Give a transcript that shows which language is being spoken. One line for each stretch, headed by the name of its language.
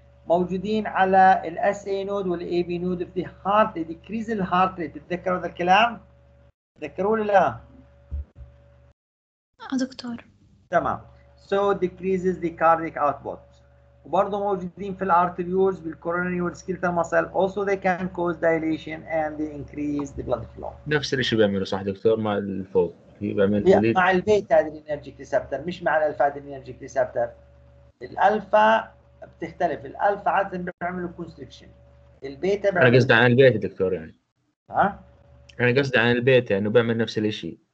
Arabic: موجودين على الـ SA node والـ AB node في heart rate.
English: Decrease the heart rate.
Arabic: تتذكروا هذا الكلام؟ تذكروا ولا لا؟ دكتور تمام.
English: So decreases the cardiac output.
Arabic: وبرضو موجودين في الـ arterioles بالـ coronary والـ skeletal muscle.
English: Also they can cause dilation and they increase the blood flow.
Arabic: نفس الشيء بيعملوا صح دكتور مع الفوق. مع البيتا adrenergic receptor مش مع الالفا adrenergic receptor. الالفا بتختلف، الالفا عادة بيعملوا كونستريكشن، البيتا بيعمل. انا قصدي عن البيتا دكتور يعني. ها؟ انا قصدي عن البيتا انه بيعمل نفس الاشي.